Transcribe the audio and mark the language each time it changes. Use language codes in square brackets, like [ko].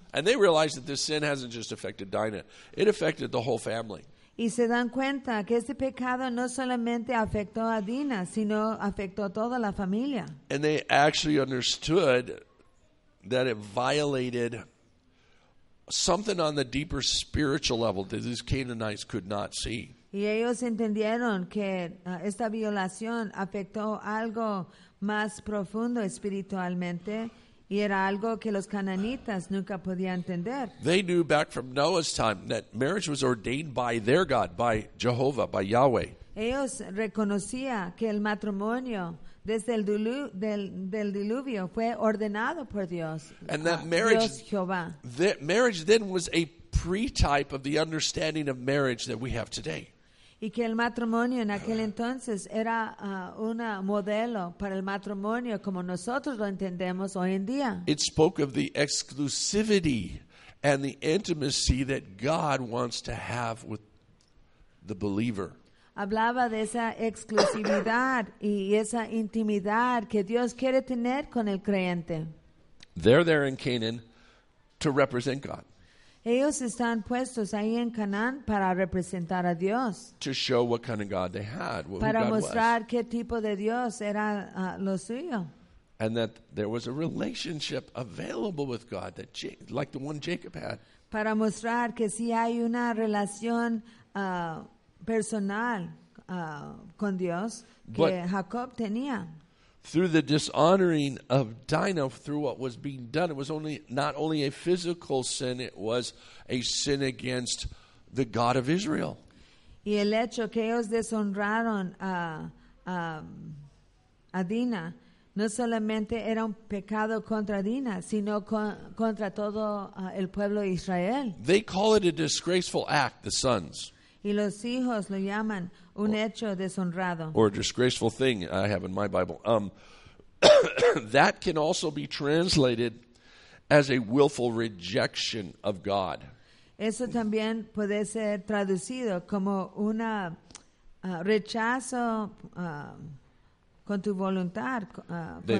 [en] And they realized that this sin hasn't just affected Dinah. It affected the whole family. [es] Y se dan cuenta que este pecado no solamente afectó a Dinah, sino afectó a toda la familia. [en] And they actually understood that it violated something on the deeper spiritual level that these Canaanites could not see. [es] Y ellos entendieron que esta violación afectó algo más profundo espiritualmente y era algo que los cananitas nunca podían entender. [en] They knew back from Noah's time that marriage was ordained by their God, by Jehovah, by Yahweh. [es] Ellos reconocía que el matrimonio desde el del diluvio fue ordenado por Dios. [en] And that marriage, [es] Dios Jehová. [en] The marriage then was a pre-type of the understanding of marriage that we have today. [es] Y que el matrimonio en aquel entonces era un modelo para el matrimonio como nosotros lo entendemos hoy en día. [en] It spoke of the exclusivity and the intimacy that God wants to have with the believer. [es] Hablaba de esa exclusividad y esa intimidad que Dios quiere tener con el creyente. [en] They're there in Canaan to represent God. [es] Ellos están puestos ahí en Canaán para representar a Dios. [en] To show what kind of God they had, who God was. [es] Para mostrar qué tipo de Dios era lo suyo. [en] And that there was a relationship available with God, that like the one Jacob had. [es] Para mostrar que sí hay una relación personal con Dios que Jacob tenía. [en] Through the dishonoring of Dinah, through what was being done, it was only not only a physical sin, it was a sin against the God of Israel. [es] Y el hecho que ellos deshonraron a Dinah, no solamente era un pecado contra Dinah, sino contra todo el pueblo de Israel. [en] They call it a disgraceful act, the sons. [es] Y los hijos lo llaman un hecho deshonrado. [en] Or a disgraceful thing I have in my Bible. that can also be translated as a willful rejection of God. [es] Eso también puede ser traducido como una rechazo con tu voluntad contra